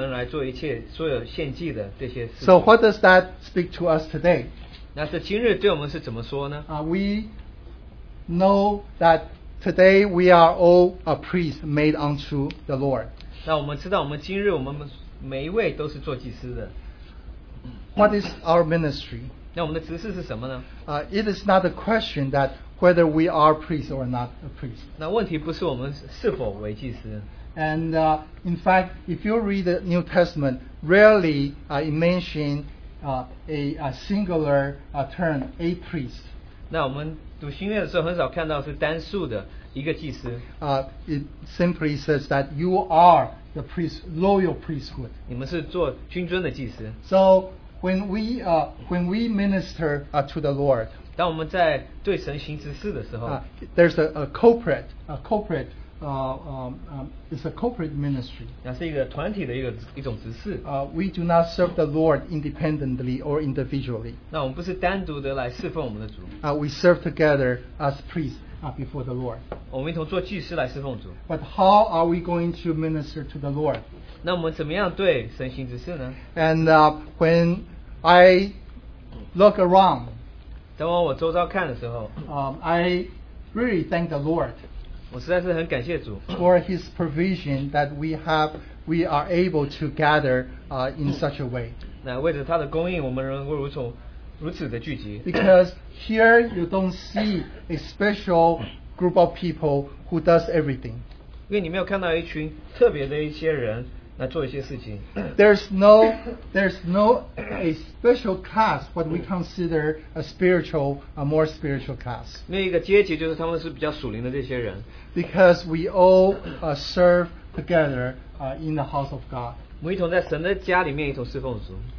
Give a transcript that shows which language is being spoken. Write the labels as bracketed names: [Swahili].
[Chinese] 那另外的支派他就会帮助他们来做一切所有献祭的这些事情。 [English] So what does that speak to us today? [Chinese] 那这今日对我们是怎么说呢? [English] We know that today we are all a priest made unto the Lord. [Chinese] 那我们知道我们今日我们每一位都是做祭司的。 [English] What is our ministry? [Chinese] 那我们的职事是什么呢? [English] It is not a question that whether we are priests or not a priest. [Chinese] 那问题不是我们是否为祭司。 [English] And in fact, if you read the New Testament, rarely it mentions a singular term, a priest. [Chinese] 那我们读新约的时候很少看到是单数的。一个祭司, [English] it simply says that you are the priest, loyal priesthood. [Chinese] 你们是做君尊的祭司。 [English] So when we minister to the Lord, [Chinese] 当我们在对神行执事的时候, [English] there's a corporate it's a corporate ministry. [Chinese] 那是一个团体的一种执事。 [English] We do not serve the Lord independently or individually. [Chinese] 那我们不是单独的来侍奉我们的主。 [English] We serve together as priests before the Lord. [Chinese] 我们一同做祭司来侍奉主。 [English] But how are we going to minister to the Lord? [Chinese] 那我们怎么样对神行执事呢? [English] And when I look around, [Chinese] 等我周遭看的时候, [English] I really thank the Lord. [Chinese] 我实在是很感谢主, [English] for his provision that we are able to gather in such a way. [Chinese] 那为着他的供应我们能够如此的聚集, [English] because here you don't see a special group of people who does everything. [Chinese] 因为你没有看到一群特别的一些人来做一些事情。 [English] There's no a special class what we consider a spiritual, a more spiritual class. [Chinese] 那一个阶级就是他们是比较属灵的这些人。 [English] Because we all serve together in the house of God. [Chinese] 我们一同在神的家里面一同侍奉主。